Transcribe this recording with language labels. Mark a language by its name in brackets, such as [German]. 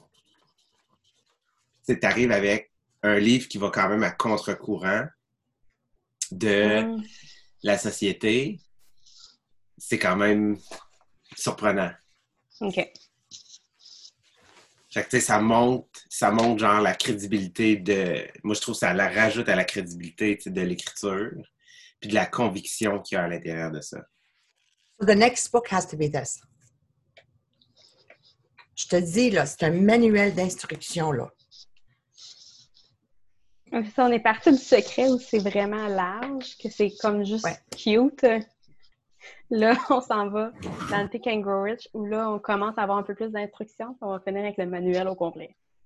[French] Tu sais, t'arrives avec un livre qui va quand même à contre-courant de la société, c'est quand même surprenant. OK. Fait que, tu sais, ça monte, genre, la crédibilité de... Moi, je trouve que ça la rajoute à la crédibilité, tu sais, de l'écriture puis de la conviction qu'il y a à l'intérieur de ça. [English] So the next book has to be this. [French] Je te dis, là, c'est un manuel d'instruction, là. On est parti du secret où c'est vraiment large, que c'est comme juste cute. Là, on s'en va dans Think and Grow Rich, où là, on commence à avoir un peu plus d'instructions, puis on va finir avec le manuel au complet.